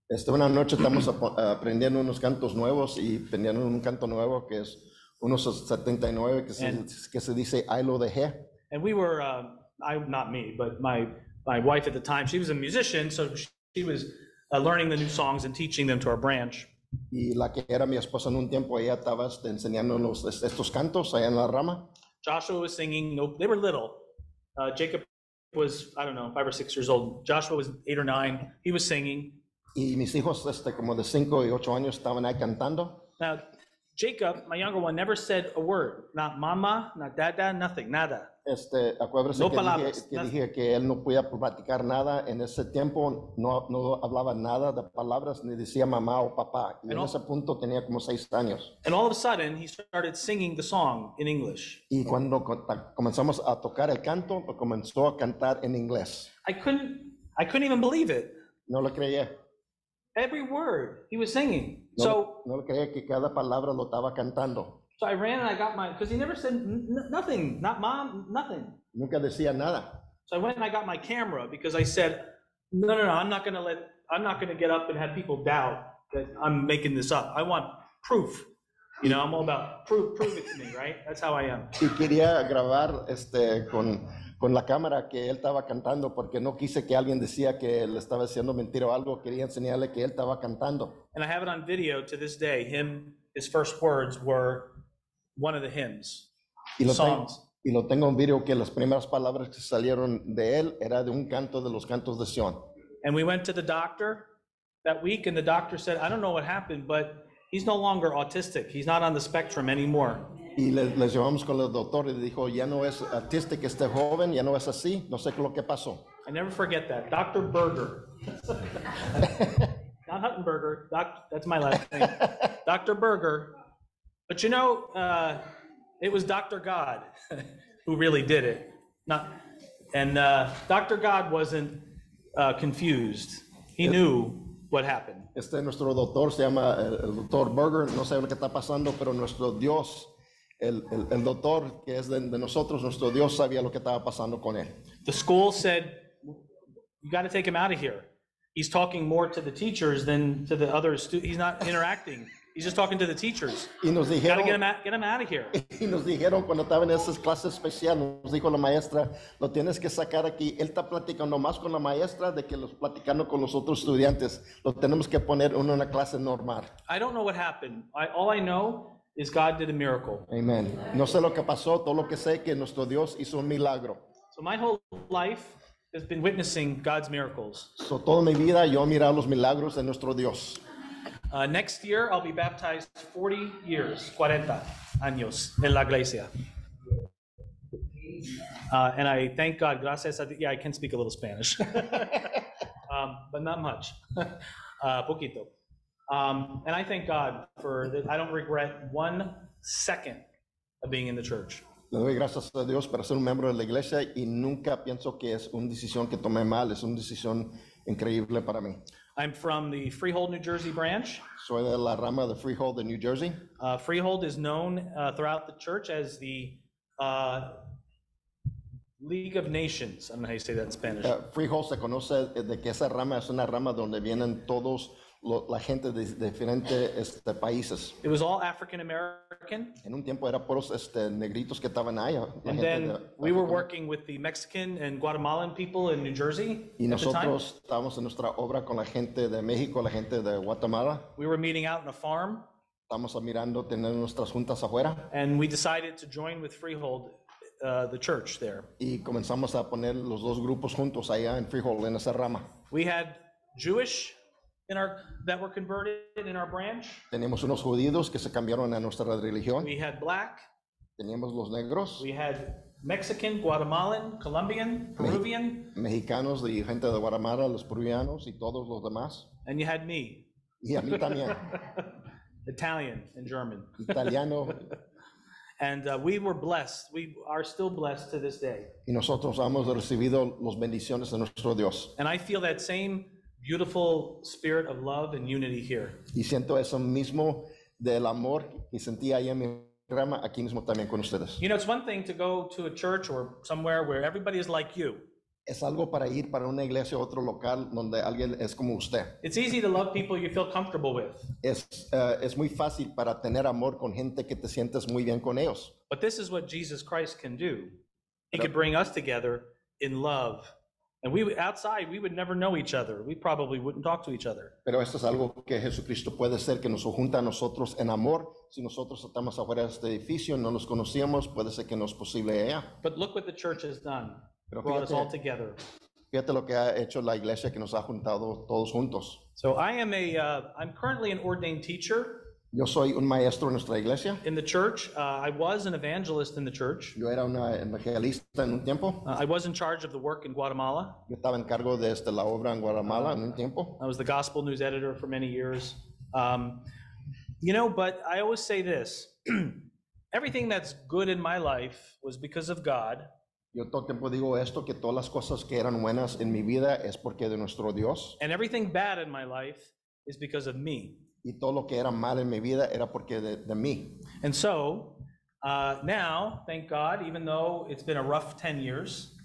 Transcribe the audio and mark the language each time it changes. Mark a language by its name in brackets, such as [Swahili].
[Spanish] Una noche estamos aprendiendo unos cantos nuevos y aprendiendo un canto nuevo que es unos 79 que se dice Ahí lo dejé. [English] And we were, not me, but my wife at the time, she was a musician, so she was learning the new songs and teaching them to our branch. [Spanish] Y la que era mi esposa en un tiempo, ella estaba enseñándonos estos cantos allá en la rama. [English] Joshua was singing, nope, they were little. Jacob was, I don't know, 5 or 6 years old. Joshua was 8 or 9. He was singing. [Spanish] Y mis hijos, como de 5 y 8 años, estaban ahí cantando. [English] Now, Jacob, my younger one, never said a word. Not mama, not dada, nothing, nada. [Spanish] Acuérdese no que palabras. Dije que él no podía platicar nada. En ese tiempo no hablaba nada de palabras, ni decía mamá o papá. Y en ese punto tenía como 6 años. [English] And all of a sudden, he started singing the song in English. [Spanish] Y cuando comenzamos a tocar el canto, lo comenzó a cantar en inglés. [English] I couldn't even believe it. [Spanish] No lo creía. [English] Every word he was singing. So [Spanish] no creía que cada palabra lo estaba cantando. [English] So I ran and I got my, because he never said nothing, not mom, nothing. [Spanish] Nunca decía nada. [English] So I went and I got my camera because I said, no, I'm not gonna get up and have people doubt that I'm making this up. I want proof. You know, I'm all about prove it to me, right? That's how I am. [Spanish] Y quería grabar con la cámara que él estaba cantando porque no quise que alguien decía que le estaba diciendo mentira o algo, quería enseñarle que él estaba cantando. [English] And I have it on video to this day. His first words were one of the hymns, songs. [Spanish] Y lo tengo en video que las primeras palabras que salieron de él era de un canto de los cantos de Sion. [English] And we went to the doctor that week and the doctor said, I don't know what happened, but he's no longer autistic. He's not on the spectrum anymore. [Spanish] Y le llevamos con el doctor y dijo, ya no es autista que esté joven, ya no es así, no sé lo que pasó. [English] I never forget that. Dr. Berger. Not Huttenberger, that's my last name. Dr. Berger. But you know, it was Dr. God who really did it. Dr. God wasn't confused. He knew what happened. [Spanish] Nuestro doctor se llama el Dr. Berger, no sé lo que está pasando, pero nuestro Dios... El doctor que es de nosotros, nuestro Dios sabía lo que estaba pasando con él. [English] The school said, you got to take him out of here. He's talking more to the teachers than to the other students. He's not interacting. He's just talking to the teachers. [Spanish] Y nos dijeron, [English] gotta get him out of here. [Spanish] Y nos dijeron cuando estaba en esas clases especial, nos dijo la maestra, lo tienes que sacar aquí. Él está platicando más con la maestra de que los platicando con los otros estudiantes. Lo tenemos que poner en una clase normal. [English] I don't know what happened. All I know is God did a miracle. [Spanish] Amen. No sé lo que pasó. Todo lo que sé que nuestro Dios hizo un milagro. [English] So my whole life has been witnessing God's miracles. [Spanish] So toda mi vida yo he mirado los milagros de nuestro Dios. [English] Next year, I'll be baptized 40 years, [Spanish] 40 años, en la iglesia. [English] And I thank God, [Spanish] gracias a Dios. [English] Yeah, I can speak a little Spanish, but not much, poquito. And I thank God for that. I don't regret one second of being in the church. [Spanish] Le doy gracias a Dios para ser un miembro de la iglesia y nunca pienso que es una decisión que tomé mal. Es una decisión increíble para mí. [English] I'm from the Freehold, New Jersey branch. [Spanish] Soy de la rama de Freehold in New Jersey. [English] Freehold is known throughout the church as the League of Nations. I don't know how you say that in Spanish. [Spanish] Freehold se conoce de que esa rama es una rama donde vienen todos la gente de diferentes países. [English] It was all African American. [Spanish] En un tiempo era puros negritos que estaban allá. [English] And then we were working with the Mexican and Guatemalan people in New Jersey. [Spanish] Y nosotros estábamos en nuestra obra con la gente de México, la gente de Guatemala. [English] We were meeting out in a farm. [Spanish] Estamos mirando tener nuestras juntas afuera. [English] And we decided to join with Freehold, the church there. [Spanish] Y comenzamos a poner los dos grupos juntos allá en Freehold en esa rama. [English] We had Jewish in our that were converted in our branch. [Spanish] Teníamos unos judíos que se cambiaron a nuestra religión. [English] We had black. [Spanish] Teníamos los negros. [English] We had Mexican, Guatemalan, Colombian, Peruvian. [Spanish] Mexicanos y gente de Guatemala, los peruanos y todos los demás. [English] And you had me. [Spanish] Y a mí también. [English] Italian and German. [Spanish] Italiano. [English] And we were blessed. We are still blessed to this day. [Spanish] Y nosotros hemos recibido las bendiciones de nuestro Dios. [English] And I feel that same beautiful spirit of love and unity here. [Spanish] Y siento eso mismo del amor que sentí ahí en mi rama aquí mismo también con ustedes. [English] You know, it's one thing to go to a church or somewhere where everybody is like you. [Spanish] Es algo para ir para una iglesia o otro local donde alguien es como usted. [English] It's easy to love people you feel comfortable with. [Spanish] Es muy fácil para tener amor con gente que te sientes muy bien con ellos. [English] But this is what Jesus Christ can do. He can bring us together in love. And we outside, we would never know each other. We probably wouldn't talk to each other. [Spanish] Pero esto es algo que Jesucristo puede ser que nos junta a nosotros en amor. Si nosotros estamos afuera de este edificio, no nos conocíamos, puede ser que no es posible allá. [English] But look what the church has done. Pero brought fíjate, us all together. [Spanish] Fíjate lo que ha hecho la iglesia que nos ha juntado todos juntos. [English] So I am I'm currently an ordained teacher. [Spanish] Yo soy un maestro en nuestra iglesia. [English] In the church, I was an evangelist in the church. [Spanish] Yo era una evangelista en un tiempo. [English] I was in charge of the work in Guatemala. [Spanish] Yo estaba en cargo de la obra en Guatemala en un tiempo. [English] I was the gospel news editor for many years. You know, but I always say this. Everything that's good in my life was because of God. [Spanish] Yo todo el tiempo digo esto, que todas las cosas que eran buenas en mi vida es porque de nuestro Dios. [English] And everything bad in my life is because of me. [Spanish] Y todo lo que era mal en mi vida era porque de mí. [English] And so, now, thank God, even though it's been a rough 10 years,